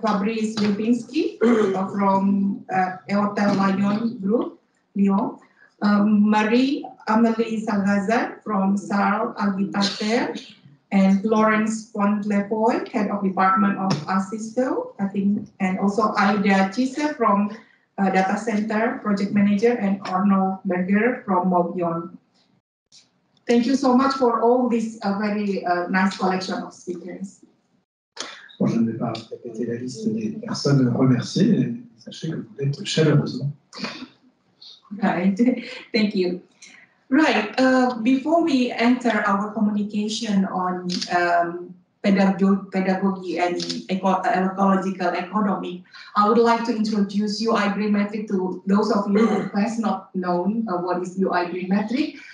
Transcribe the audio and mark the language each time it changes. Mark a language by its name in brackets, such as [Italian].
[English] Fabrice Lipinski from Hotel Lyon Group, Lyon, Marie Amelie Salgaza from SAR Agitater, and Florence Pontlepoy, Head of Department of Assisto, I think, and also Aida Chise from Data Center Project Manager, and Arno Berger from Mobion. Thank you so much for all this very nice collection of speakers. [French] Bon, je ne vais pas répéter la liste des personnes remerciées, mais sachez que vous êtes chaleureusement. [English] Right, thank you. Right, before we enter our communication on pedagogy and ecological economy, I would like to introduce UI Green Metric to those of you who has not known what is UI Green Metric.